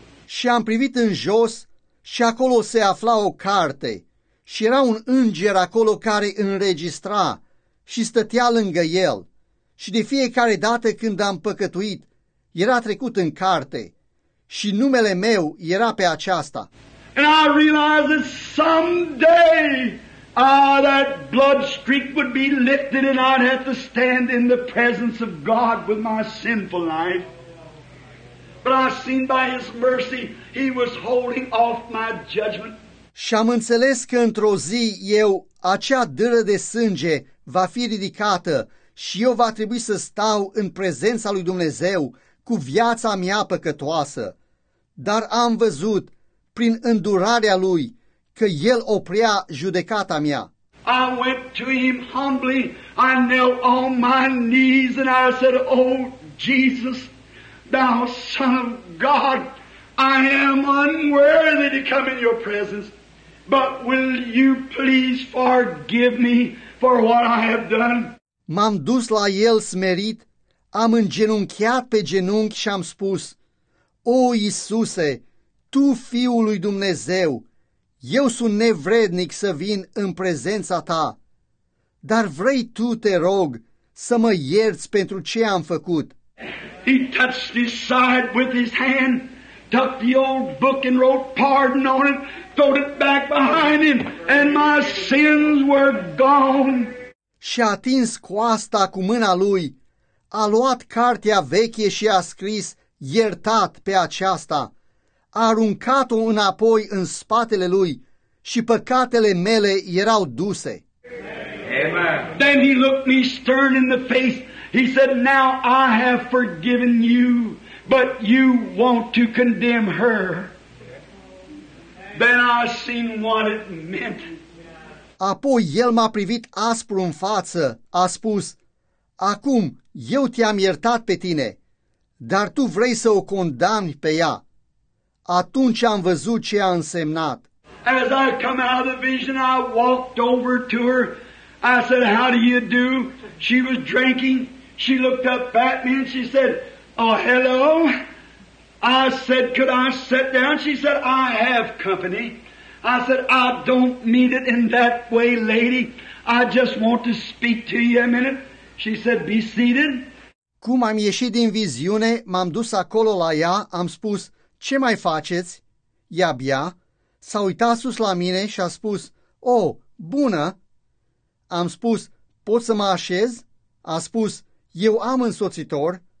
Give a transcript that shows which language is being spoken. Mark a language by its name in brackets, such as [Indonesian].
[Romanian] Și am privit în jos și acolo se afla o carte. Și era un înger acolo care înregistra și stătea lângă el. Și de fiecare dată când am păcătuit, era trecut în carte. Și numele meu era pe aceasta. [English] And I realized that someday, that blood streak would be lifted and I'd have to stand in the presence of God with my sinful life. But I seen by His mercy, He was holding off my judgment. [Romanian] Și am înțeles că într-o zi eu, acea dâră de sânge va fi ridicată și eu va trebui să stau în prezența lui Dumnezeu cu viața mea păcătoasă. Dar am văzut, prin îndurarea lui, că el oprea judecata mea. [English] I went to him humbly, I knelt on my knees and I said, Oh Jesus, thou Son of God, I am unworthy to come in your presence, but will you please forgive me for what I have done? [Romanian] M-am dus la el smerit, am îngenunchiat pe genunchi și am spus, O Iisuse, Tu, Fiul lui Dumnezeu, eu sunt nevrednic să vin în prezența Ta, dar vrei Tu, te rog, să mă ierți pentru ce am făcut. [English] He touched his side with his hand, tucked the old book and wrote pardon on it, throwed it back behind him, and my sins were gone. [Romanian] Și a atins coasta cu mâna lui, a luat cartea veche și a scris iertat pe aceasta. A aruncat-o înapoi în spatele lui și păcatele mele erau duse. Amen. [English] Then he looked me stern in the face. He said, Now I have forgiven you, but you want to condemn her. Then I seen what it meant. [Romanian] Apoi el m-a privit aspru în față, a spus, Acum eu te-am iertat pe tine, dar tu vrei să o condamni pe ea. Atunci am văzut ce a însemnat. [English] As I come out of the vision, I walked over to her. I said, How do you do? She was drinking. She looked up at me and she said, Oh, hello. I said, Could I sit down? She said, I have company. I said, I don't mean it in that way, lady. I just want to speak to you a minute. She said, Be seated. [Romanian] Cum am ieșit din viziune, m-am dus acolo la ea, am spus, Ce mai faceți? Ea bea, s-a uitat sus la mine și a spus, Oh, bună! Am spus, Pot să mă așez? A spus, Eu am însoțitor.